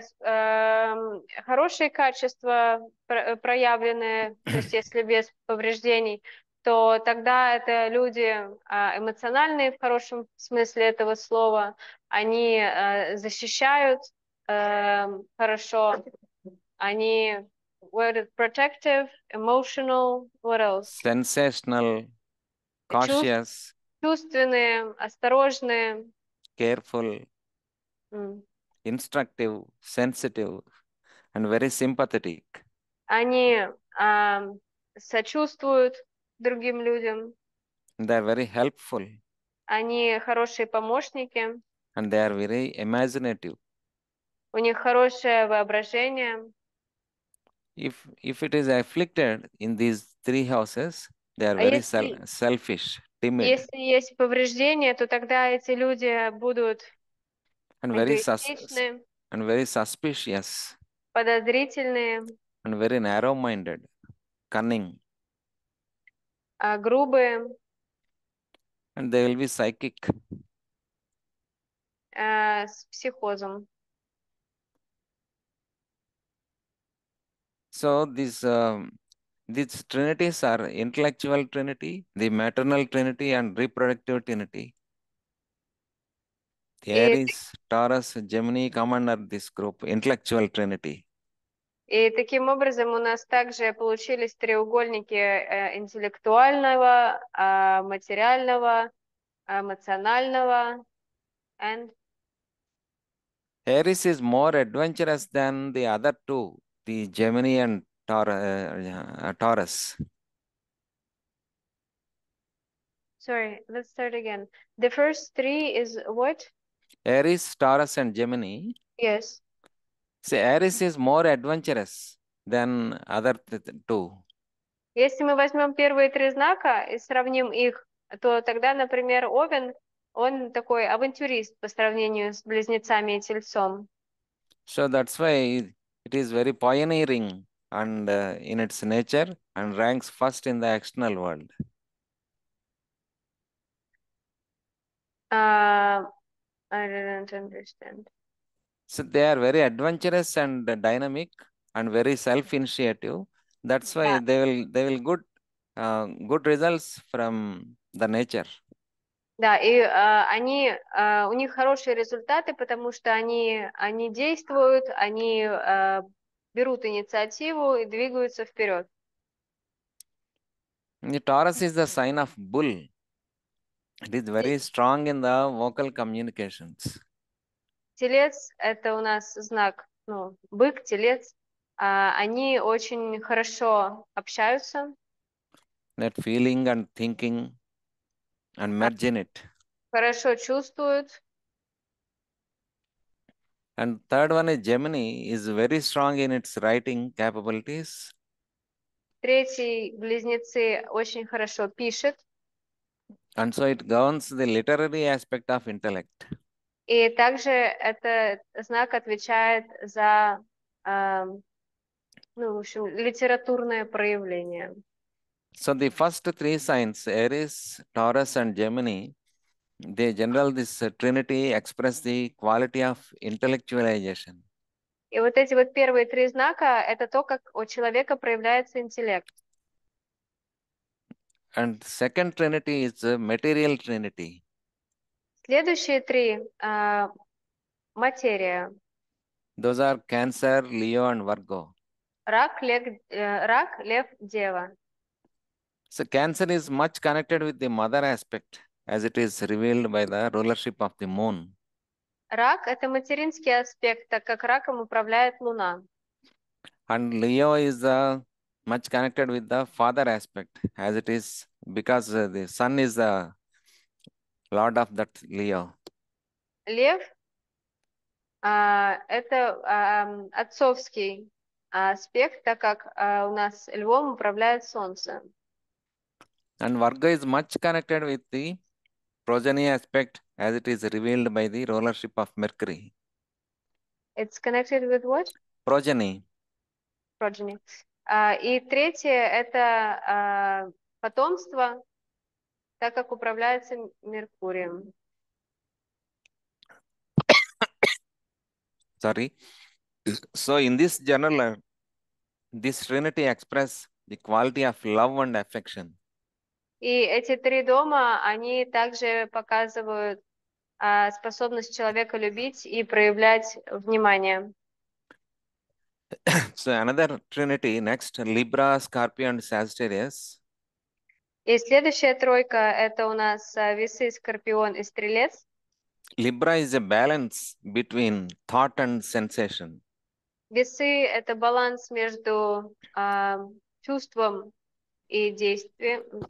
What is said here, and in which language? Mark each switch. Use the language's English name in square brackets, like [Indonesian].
[Russian] Если хорошие качества проявлены, то есть если без повреждений, то тогда это люди эмоциональные в хорошем смысле этого слова, они защищают хорошо, они [English] what protective, emotional, what else? Sensational, cautious, [Russian] Чувственные, осторожные. [English] careful, instructive, sensitive, and very sympathetic. [Russian] Они сочувствуют другим людям. [English] They are very helpful. [Russian] Они хорошие помощники. [English] And they are very imaginative. [Russian] У них хорошее воображение. [English] If it is afflicted in these three houses, they are [Russian] А [English] very selfish, timid, [Russian] если есть повреждения, то тогда эти люди будут эгоистичны, [English] and very suspicious, [Russian] подозрительные. [English] and very narrow-minded, cunning. [Russian] Грубые, [English] And they will be psychic. [Russian] с психозом. [English] So these trinities are intellectual trinity, the maternal trinity, and reproductive trinity. [Russian] И [English] Aries, Taurus, Gemini, commander this group, intellectual trinity. [Russian] Таким образом у нас также получились треугольники интеллектуального, материального, эмоционального and [English] Aries is more adventurous than the other two, the Gemini and Taurus. Sorry, let's start again. The first three is what? Aries, Taurus, and Gemini. Yes. See, Aries is more adventurous than other two. [Russian] Если мы возьмем первые три знака и сравним их, то тогда, например, Овен, он такой авантюрист по сравнению с близнецами и Тельцом. [English] So that's why it is very pioneering and in its nature and ranks first in the external world. I didn't understand. So they are very adventurous and dynamic and very self-initiative. That's why they will good results from the nature. [Russian] Да, и они у них хорошие результаты, потому что они действуют, они берут инициативу и двигаются вперед. [English] The Taurus is the sign of bull. It is very strong in the vocal communications. [Russian] Телец – это у нас знак, ну, бык, телец. Они очень хорошо общаются. [English] That feeling and thinking and merging it. [Russian] Хорошо чувствуют. [English] And third one is Gemini is very strong in its writing capabilities. [Russian] Третий близнецы очень хорошо пишет. [English] And so it governs the literary aspect of intellect. [Russian] И также этот знак отвечает за, ну, в общем, литературное проявление. [English] So the first three signs, Aries, Taurus, and Gemini, they generally, this trinity express the quality of intellectualization. [Russian] И вот эти вот первые три знака, это то, как у человека проявляется интеллект. [English] And second trinity is a material trinity. [Russian] Следующие три материя. [English] Those are Cancer, Leo, and Virgo. [Russian] Рак, лев, дева. [English] So Cancer is much connected with the mother aspect, as it is revealed by the rulership of the moon. [Russian] Рак – это материнский аспект, так как раком управляет Луна. [English] And Leo is much connected with the father aspect, as it is because the sun is the lord of that Leo. [Russian] Лев – это отцовский аспект, так как у нас львом управляет Солнце. [English] And Virgo is much connected with the progeny aspect, as it is revealed by the rulership of Mercury. It's connected with what? Progeny. Progeny. [Russian] И третье – это потомство, так как управляется Меркурием. [English] Sorry. So in this general, this trinity express the quality of love and affection. [Russian] И эти три дома, они также показывают способность человека любить и проявлять внимание. [English] So another trinity, next, Libra, Scorpio, and Sagittarius. [Russian] И следующая тройка, это у нас Весы, Скорпион и Стрелец. [English] Libra is a balance between thought and sensation. [Russian] Весы – это баланс между чувством и действием.